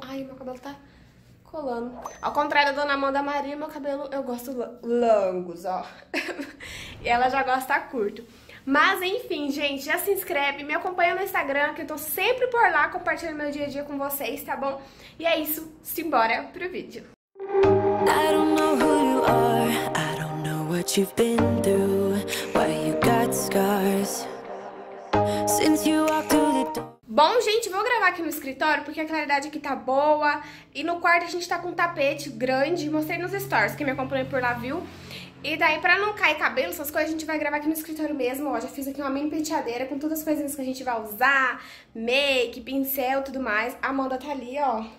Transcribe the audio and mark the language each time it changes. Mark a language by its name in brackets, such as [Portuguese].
[Portuguese] Ai, meu cabelo tá colando. Ao contrário da Dona Amanda Maria, meu cabelo, eu gosto longos, ó. E ela já gosta curto. Mas, enfim, gente, já se inscreve, me acompanha no Instagram, que eu tô sempre por lá compartilhando meu dia a dia com vocês, tá bom? E é isso, simbora pro vídeo. [English] I don't know who you are, I don't know what you've been through, why you got scars. Since you walked through the door. [Portuguese] Bom, gente, vou gravar aqui no escritório porque a claridade aqui tá boa. E no quarto a gente tá com um tapete grande. Mostrei nos stories, quem me acompanhou por lá viu. E daí, pra não cair cabelo, essas coisas, a gente vai gravar aqui no escritório mesmo. Ó, já fiz aqui uma mini penteadeira com todas as coisinhas que a gente vai usar. Make, pincel, tudo mais. A Amanda tá ali, ó.